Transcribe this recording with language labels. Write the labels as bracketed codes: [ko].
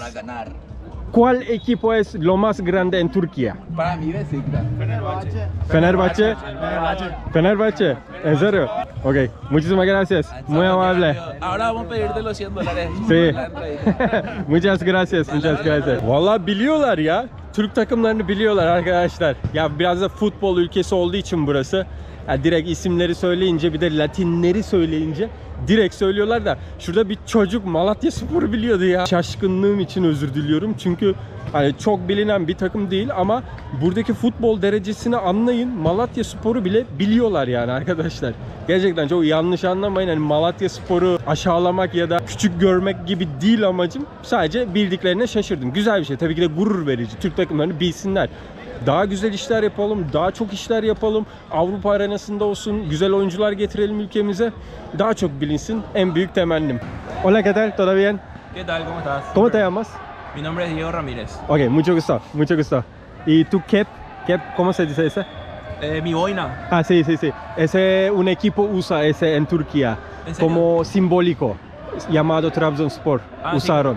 [es] Para ganar. ¿Cuál equipo es lo más grande en Turquía? Para mí, Beşiktaş. Fenerbahçe. Fenerbahçe. Fenerbahçe. Fenerbahçe. ¿En serio? Okay. Muchísimas gracias. Muy amable. Ahora vamos a pedirte los $100. Sí. Muchas gracias. Muchas gracias. [tr] Vallahi biliyorlar ya. Türk takımlarını biliyorlar arkadaşlar. Ya biraz da futbol ülkesi olduğu için burası. Ya direkt isimleri söyleyince, bir de Latinleri söyleyince direkt söylüyorlar da. Şurada bir çocuk Malatya Spor'u biliyordu ya. Şaşkınlığım için özür diliyorum. Çünkü hani çok bilinen bir takım değil ama buradaki futbol derecesini anlayın. Malatya Spor'u bile biliyorlar yani arkadaşlar. Gerçekten çok yanlış anlamayın. Hani Malatya Spor'u aşağılamak ya da küçük görmek gibi değil amacım. Sadece bildiklerine şaşırdım. Güzel bir şey. Tabii ki de gurur verici. Türk takımlarını bilsinler. Daha güzel işler yapalım, daha çok işler yapalım. Avrupa arenasında olsun, güzel oyuncular getirelim ülkemize. Daha çok bilinsin, en büyük temennim. [es] Hola, ¿qué tal? ¿Todo bien? ¿Qué tal? ¿Cómo estás? ¿Cómo te llamas? Mi nombre es Diego Ramírez. Okay, mucho gusto, mucho gusto. ¿Y tu cap? ¿Cap? ¿Cómo se dice ese? Mi boina. Ah, sí, sí, sí. Ese un equipo usa ese en Turquía. ¿En serio? Como simbólico, llamado Trabzonspor. Ah, usaron.